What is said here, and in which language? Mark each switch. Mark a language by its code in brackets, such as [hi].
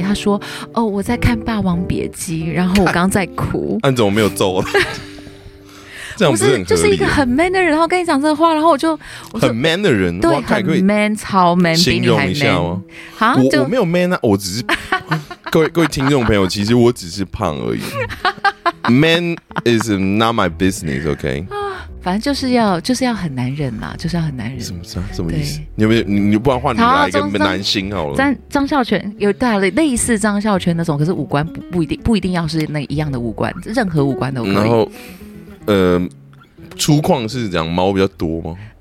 [zh] 他说，哦，我在看《霸王别姬》，然后我刚在哭。那你怎么没有揍他？这样不是很合理，就是一个很 man 的人，然后跟你讲这个话，然后我就很 man 的人，对，很 man， 超 man，形容一下吗？好，我没有 man 啊，我只是。各位听众朋友，其实我只是胖而已。 [en] Man is not my business, OK？ [zh] 反正就是要很男人啦，就是要很男人。什么意思？你有没有你不然换你来一个男星好了？张孝全有大的类似张孝全那种，可是五官不一定要是那一样的五官，任何五官都可以。然后，粗犷是讲毛比较多吗？